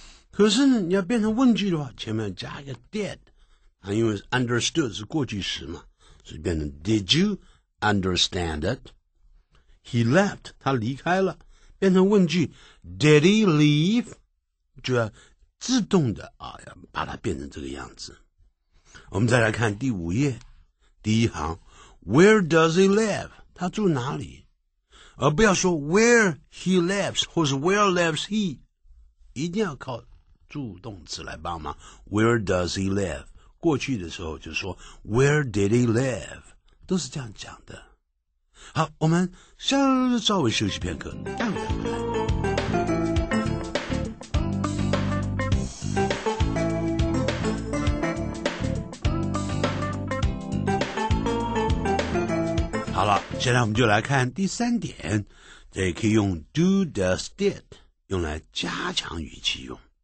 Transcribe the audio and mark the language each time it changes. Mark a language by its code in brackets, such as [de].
[zh] 可是你要变成问句的话前面加一个 did、啊、因为 understood 是过去时嘛所以变成 [en] did you understand it [zh] he left 他离开了变成问句 [en] did he leave [zh] 就要自动的、啊、把它变成这个样子我们再来看第五页第一行 [en] Where does he live? [zh] 他住哪里？而不要说 [en] where he lives [zh] 或是 [en] where lives he [zh] 一定要靠助动词来帮忙 [en] Where does he live? [zh] 过去的时候就说 [en] Where did he live? [zh] 都是这样讲的好我们稍微休息片刻待会儿回来好了现在我们就来看第三点这也可以用 do does did 用来加强语气用